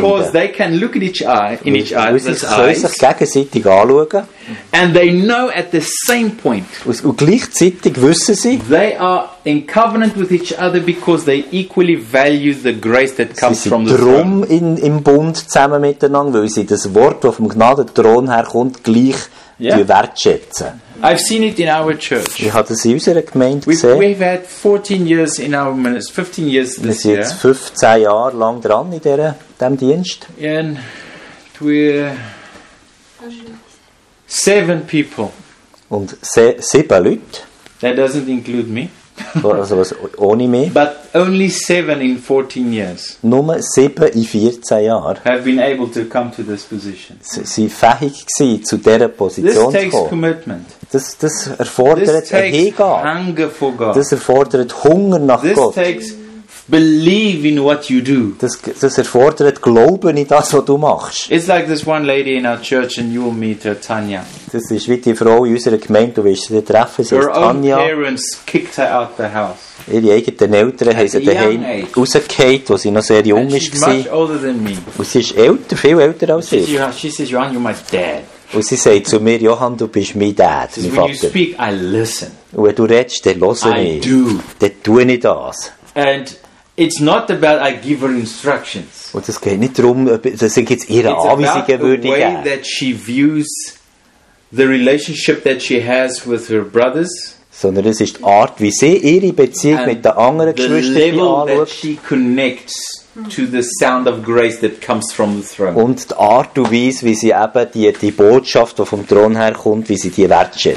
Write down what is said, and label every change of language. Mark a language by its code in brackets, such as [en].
[en] Because they can look at each eye in each other's eyes, [de] sie können sich gegenseitig anschauen. [en] And they know at the same point, [de] und gleichzeitig wissen sie, [en] they are in covenant with each other because they equally value the grace that comes from the throne. [de] Sie sind drum im Bund zusammen miteinander, weil sie das Wort, das vom Gnadenthron herkommt, gleich wertschätzen. [en] I've seen it in our church. [de] Ich habe das in unserer Gemeinde gesehen. [en] We've had 14 years in our ministry, 15 years this year. [de] Wir sind jetzt 15 Jahre lang dran in diesem Dienst. [en] And we're 7 people. [de] Und 7 Leute. [en] That doesn't include me. [de] Also was ohne mich. [en] But only 7 in 14 years. [de] Nur 7 in 14 Jahren. [en] Have been able to come to this position. [de] Sie fähig gsi zu dieser Position zu kommen. [en] This takes commitment. [de] Das erfordert Hingabe. [en] Hunger for God. [de] Das erfordert Hunger nach [en] this [de] Gott. [en] Takes believe in what you do. [de] Das erfordert Glauben in das, was du machst. [en] It's like this one lady in our church, and you will meet her, Tanya. [de] Das ist wie die Frau in unserer Gemeinde, du wirst sie treffen. Sie [en] her [de] ist Tanya. [en] Own parents kicked her out the house. [de] Ihre eigenen Eltern haben sie daheim rausgekehrt, wo sie noch sehr jung ist. [en] She's much older than me. [de] Und sie ist älter, viel älter als ich. [en] She says, Johann, you're my dad. [de] Und sie sagt zu mir, Johann, du bist mein Dad, mein Vater. [en] When you speak, I listen. [de] Und wenn du redest, dann höre ich. [en] I do. [de] Dann tue ich das. [en] And it's not about I give her instructions. [de] Und es geht nicht darum, dass ich jetzt ihre Anweisungen würde geben. [en] It's about the way that she views the relationship that she has with her brothers. [de] Sondern es ist die Art, wie sie ihre Beziehung mit den anderen Geschwistern anschaut. [en] That she connects to the sound of grace that comes from the throne. [de] Und die Art und Weise, wie sie eben die Botschaft, die vom Thron herkommt, wie sie die wertschätzt.